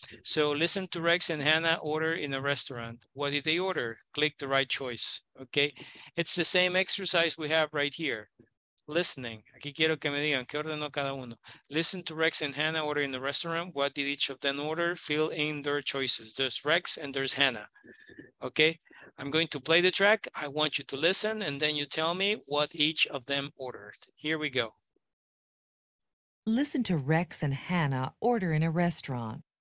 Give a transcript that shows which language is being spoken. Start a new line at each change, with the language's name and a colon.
English: So listen to Rex and Hannah order in a restaurant. What did they order? Click the right choice. Okay. It's the same exercise we have right here. Listening.
Spanish: Aquí quiero que me digan qué ordenó cada uno.
English: Listen to Rex and Hannah order in the restaurant. What did each of them order? Fill in their choices. There's Rex and there's Hannah. Okay. I'm going to play the track. I want you to listen and then you tell me what each of them ordered. Here we go. Listen to Rex and Hannah order in a restaurant.